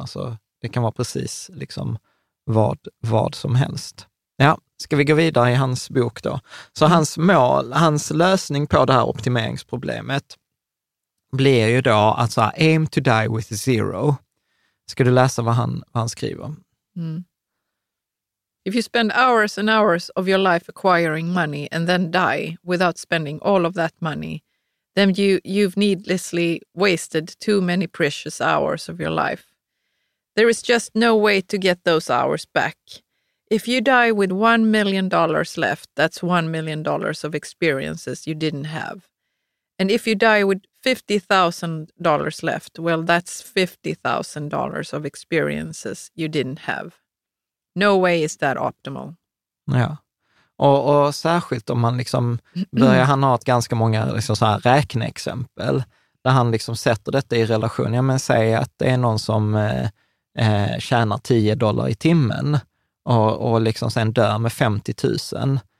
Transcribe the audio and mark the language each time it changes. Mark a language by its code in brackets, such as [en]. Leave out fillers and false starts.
[sv] Alltså, det kan vara precis liksom vad som helst. Ja, ska vi gå vidare i hans bok då? Så hans mål, hans lösning på det här optimeringsproblemet blir ju då att så här, [en] aim to die with zero. [sv] Ska du läsa vad han skriver? Mm. [en] If you spend hours and hours of your life acquiring money and then die without spending all of that money, then you've needlessly wasted too many precious hours of your life. There is just no way to get those hours back. If you die with $1 million left, that's $1 million of experiences you didn't have. And if you die with $50,000 left, well, that's $50,000 of experiences you didn't have. No way is that optimal. [sv] Ja, och särskilt om man liksom börjar, han har ett ganska många liksom så här räkneexempel där han liksom sätter detta i relation. Ja, men säg att det är någon som tjänar $10 i timmen och liksom sen dör med 50 000.